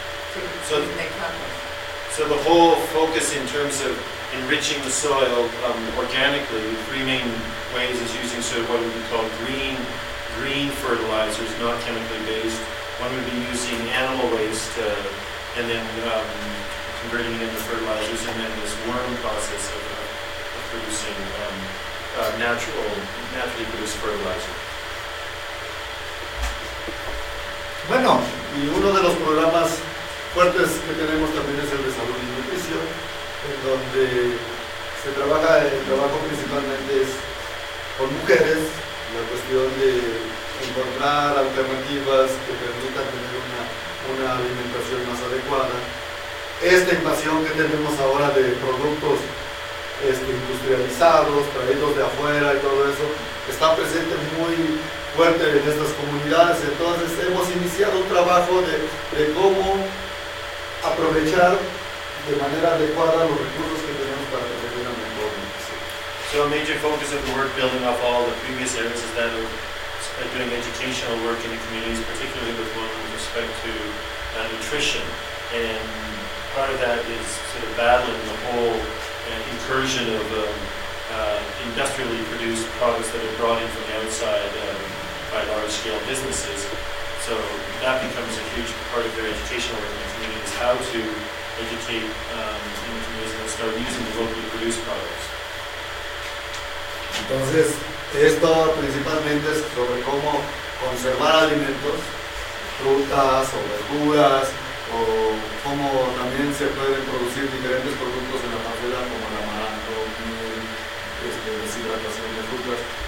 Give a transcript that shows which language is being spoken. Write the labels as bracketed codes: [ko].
[en] So the whole focus in terms of enriching the soil organically, the three main ways is using sort of what would be called green fertilizers, not chemically based. One would be using animal waste and then converting it into fertilizers, and then this worm process of producing naturally produced fertilizer. [es] Bueno, y uno de los programas fuertes que tenemos también es el de salud y nutrición, en donde se trabaja, el trabajo principalmente es con mujeres, la cuestión de encontrar alternativas que permitan tener una alimentación más adecuada. Esta invasión que tenemos ahora de productos industrializados, traídos de afuera y todo eso, está presente muy fuerte en estas comunidades. Entonces hemos iniciado un trabajo de cómo aprovechar de manera adecuada los recursos que tenemos para tener un entorno. [en] So a major focus of the work building off all the previous areas is that of doing educational work in the communities, particularly with one with respect to nutrition. And part of that is sort of battling the whole incursion of industrially produced products that are brought in from the outside by large-scale businesses. So that becomes a huge part of their educational work in the communities, how to educate in the communities and start using the locally produced products. [es] Entonces, esto principalmente es sobre cómo conservar alimentos, frutas o verduras, o cómo también se pueden producir diferentes productos en la parcela, como el amaranto, miel, deshidratación de frutas.